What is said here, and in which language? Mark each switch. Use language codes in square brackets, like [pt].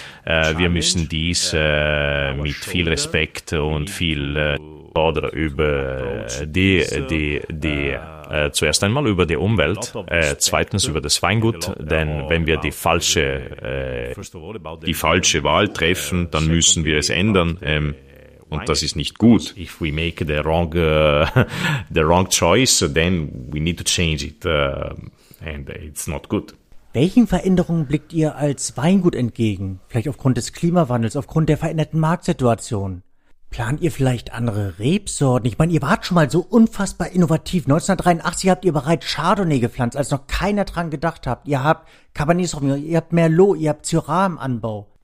[de] Wir müssen dies mit viel Respekt und viel oder über die zuerst einmal über die Umwelt, zweitens über das Weingut, denn wenn wir die falsche Wahl treffen, dann müssen wir es ändern und das ist nicht gut. [en] If we make the wrong choice, then we need to change it and it's not good. [de] Welchen Veränderungen blickt ihr als Weingut entgegen? Vielleicht aufgrund des Klimawandels, aufgrund der veränderten Marktsituation? Plant ihr vielleicht andere Rebsorten? Ich meine, ihr wart schon mal so unfassbar innovativ. 1983 habt ihr bereits Chardonnay gepflanzt, als noch keiner dran gedacht hat. Ihr habt Cabernet Sauvignon, ihr habt Merlot, ihr habt Syrah im Anbau.